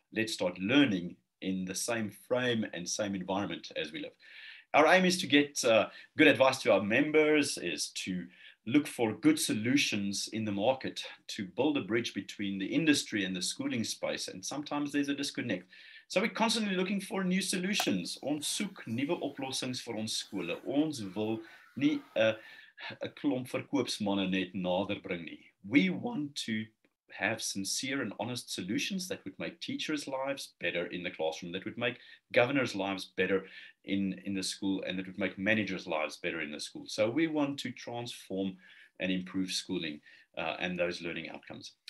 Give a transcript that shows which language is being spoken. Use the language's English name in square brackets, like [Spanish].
[English] Let's start learning in the same frame and same environment as we live. Our aim is to get good advice to our members, is to look for good solutions in the market, to build a bridge between the industry and the schooling space. And sometimes there's a disconnect. So we're constantly looking for new solutions. [Afrikaans] Ons soek nuwe oplossings vir ons skole. Ons wil nie 'n klomp verkoopsmanne net nader bring nie. [English] We want to have sincere and honest solutions that would make teachers' lives better in the classroom, that would make governors' lives better in the school, and that would make managers' lives better in the school. So we want to transform and improve schooling and those learning outcomes.